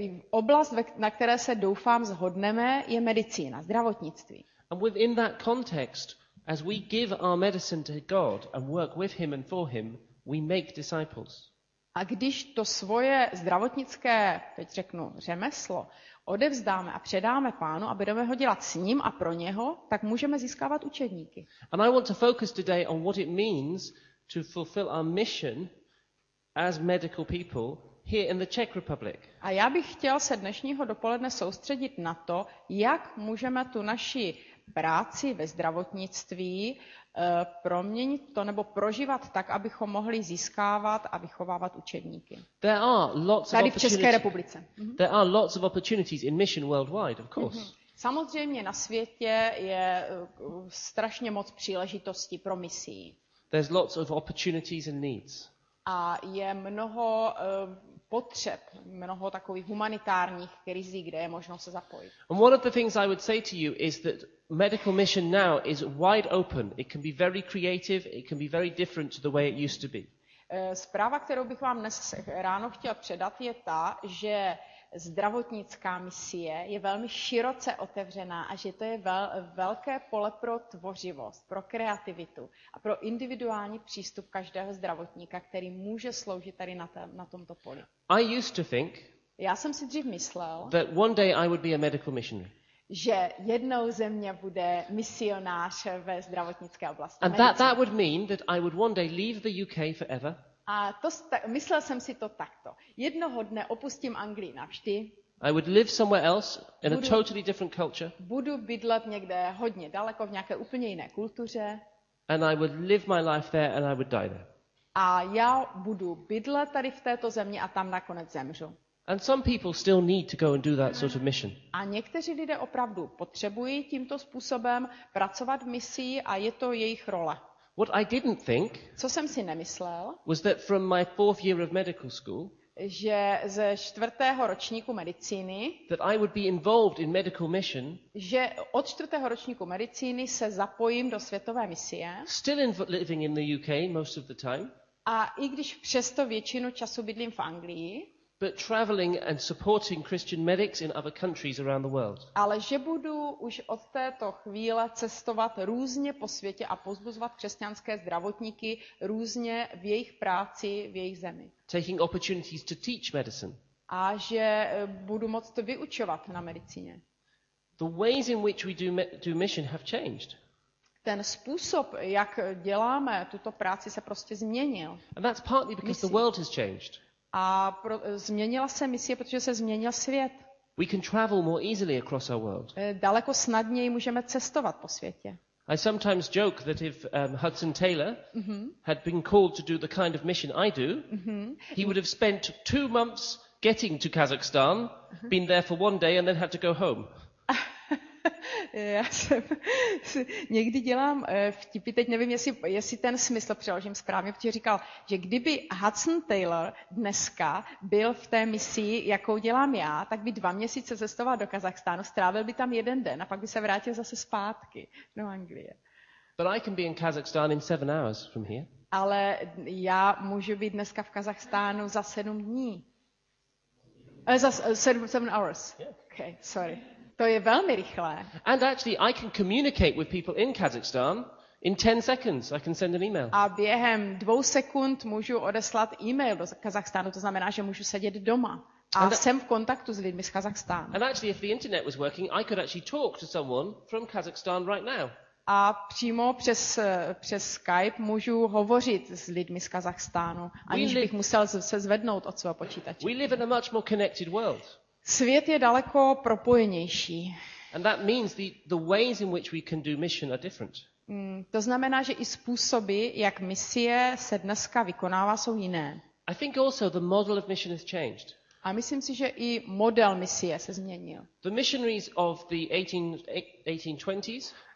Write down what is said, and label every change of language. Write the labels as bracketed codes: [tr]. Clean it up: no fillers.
[cs] Oblast, na které se doufám zhodneme, je medicína, zdravotnictví. [en] And within that context, as we give our medicine to God and work with him and for him, we make disciples. [cs] A když to svoje zdravotnické, teď řeknu, řemeslo odevzdáme a předáme Pánu a budeme ho dělat s ním a pro něho, tak můžeme získávat učedníky. [en] And I want to focus today on what it means to fulfill our mission as medical people here in the Czech Republic. [cs] A já bych chtěl se dnešního dopoledne soustředit na to, jak můžeme tu naši práci ve zdravotnictví proměnit to nebo prožívat tak, abychom mohli získávat a vychovávat učedníky. [en] There are lots [cs] tady v České republice. [en] There are lots of opportunities in mission worldwide, of course. Mm-hmm. [cs] Samozřejmě na světě je strašně moc příležitostí pro misi. [en] There's lots of opportunities and needs. [cs] A je mnoho potřeb, mnoho takových humanitárních krizí, kde je možno se zapojit. [en] And one of the things I would say to you is that medical mission now is wide open. It can be very creative, it can be very different to the way it used to be. [cs] Zpráva, kterou bych vám dnes ráno chtěl předat, je ta, že zdravotnická misie je velmi široce otevřená a že to je velké pole pro tvořivost, pro kreativitu a pro individuální přístup každého zdravotníka, který může sloužit tady na tomto poli. [en] I used to think, [cs] já jsem si dřív myslel, [en] that one day I would be a medical missionary. [cs] Že jednou ze mě bude misionář ve zdravotnické oblasti. [en] And that would mean that I would one day leave the UK forever. [cs] A to myslel jsem si to takto. Jednoho dne opustím Anglii navždy. [en] I would live somewhere else in a totally different culture. [cs] Budu bydlet někde hodně daleko v nějaké úplně jiné kultuře. [en] And I would live my life there and I would die there. [cs] A já budu bydlet tady v této zemi a tam nakonec zemřu. [en] And some people still need to go and do that sort of mission. [cs] A někteří lidé opravdu potřebují tímto způsobem pracovat v misii a je to jejich role. [en] What I didn't think, [cs] co jsem si nemyslel, [en] was that from my fourth year of medical school, [cs] že ze čtvrtého ročníku medicíny, [en] that I would be involved in medical mission, [cs] že od čtvrtého ročníku medicíny se zapojím do světové misie. [en] Still living in the UK most of the time. [cs] A i když přesto většinu času bydlím v Anglii, [en] but traveling and supporting Christian medics in other countries around the world. [cs] Ale že budu už od této chvíle cestovat různě po světě a pozbuzovat křesťanské zdravotníky různě v jejich práci, v jejich zemi. [en] Taking opportunities to teach medicine. [cs] A že budu moct vyučovat na medicíně. [en] The ways in which we do mission have changed. [cs] Ten způsob, jak děláme tuto práci, se prostě změnil. [en] And that's partly because the world has changed. [cs] A změnila se misie, protože se změnil svět. [en] We can travel more easily across our world. [cs] Daleko snadněji můžeme cestovat po světě. [en] I sometimes joke that if Hudson Taylor had been called to do the kind of mission I do, he would have spent 2 months getting to Kazakhstan, been there for one day and then had to go home. [cs] Já jsem někdy dělám vtipy, teď nevím, jestli ten smysl přeložím správně, protože říkal, že kdyby Hudson Taylor dneska byl v té misii, jakou dělám já, tak by 2 měsíce cestoval do Kazachstánu, strávil by tam 1 den a pak by se vrátil zase zpátky do Anglie. [en] But I can be in Kazakhstan in 7 hours from here. [cs] Ale já můžu být dneska v Kazachstánu za 7 dní. [en] Seven hours. Yeah. Okay, sorry. [cs] To je velmi rychlé. [en] And actually I can communicate with people in Kazakhstan in 10 seconds. I can send an email. [cs] A během 2 sekund můžu odeslat e-mail do Kazachstánu. To znamená, že můžu sedět doma a jsem v kontaktu s lidmi z Kazachstánu. [en] And actually if the internet was working, I could actually talk to someone from Kazakhstan right now. [cs] A přímo přes Skype můžu hovořit s lidmi z Kazachstánu, aniž bych musel se zvednout od svého počítače. [en] We live in a much more connected world. [cs] Svět je daleko propojenější. [en] And that means the ways in which we can do mission are different. [cs] To znamená, že i způsoby, jak misie se dneska vykonává, jsou jiné. [en] I think also the model of mission has changed. [cs] A myslím si, že i model misie se změnil. [en] The missionaries of the 1820s.